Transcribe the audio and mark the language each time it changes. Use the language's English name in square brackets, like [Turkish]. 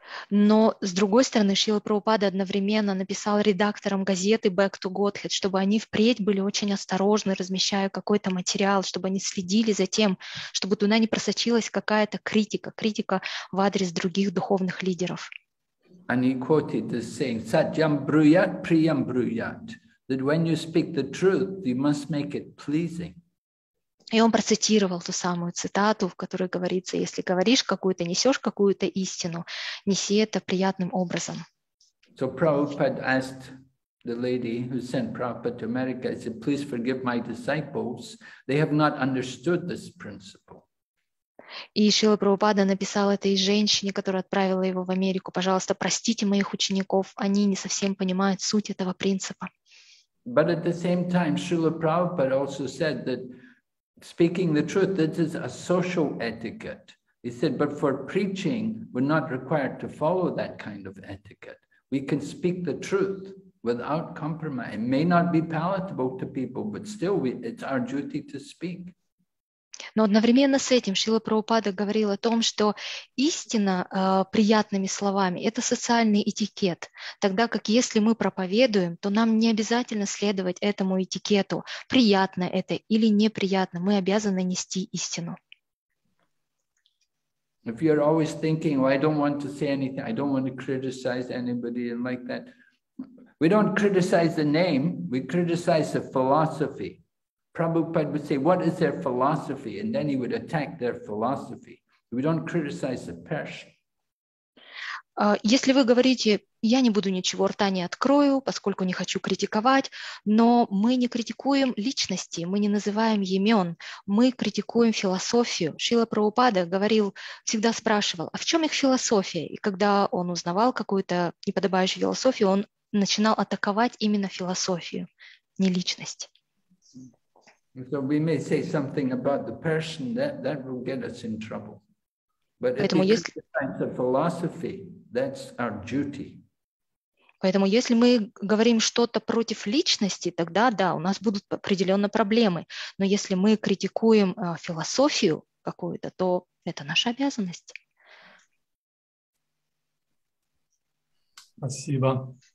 [Russian] Но, с другой стороны, Шрила Прабхупада одновременно написал редакторам газеты Back to Godhead, чтобы они впредь были очень осторожны, размещая какой-то материал, чтобы они следили за тем, чтобы туда не просочилась какая-то критика в адрес других духовных лидеров. [English] And he quoted the saying, Satyam Bruyat Priyam Bruyat, that when you speak the truth, you must make it pleasing. [Russian] И он процитировал ту самую цитату, в которой говорится: если говоришь какую-то, несешь какую-то истину, неси это приятным образом. [English] So Prabhupada asked the lady who sent Prabhupada to America, he said, please forgive my disciples, they have not understood this principle. [Russian] И Шрила Прабхупада написал этой женщине, которая отправила его в Америку: пожалуйста, простите моих учеников, они не совсем понимают суть этого принципа. [English] But at the same time, Шрила Прабхупада also said that speaking the truth, this is a social etiquette. He said, but for preaching, we're not required to follow that kind of etiquette. We can speak the truth without compromise. It may not be palatable to people, but still, it's our duty to speak. [Russian] Но одновременно с этим Шрила Прабхупада говорил о том, что истина приятными словами – это социальный этикет, тогда как если мы проповедуем, то нам не обязательно следовать этому этикету, приятно это или неприятно, мы обязаны нести истину. [English] If you're always thinking, well, I don't want to say anything, I don't want to criticize anybody and like that, we don't criticize the name, we criticize the philosophy. Prabhupada would say, what is their philosophy? And then he would attack their philosophy. We don't criticize the person. [Russian] Если вы говорите, я не буду ничего рта не открою, поскольку не хочу критиковать, но мы не критикуем личности, мы не называем имен, мы критикуем философию. Шрила Прабхупада говорил, всегда спрашивал, а в чем их философия? И когда он узнавал какую-то неподобающую философию, он начинал атаковать именно философию, не личность. [English] So we may say something about the person that will get us in trouble. But if we criticize the philosophy, that's our duty. [Russian] Поэтому если мы говорим что-то против личности, тогда да, у нас будут определенно проблемы. Но если мы критикуем философию какую-то, то это наша обязанность. Спасибо.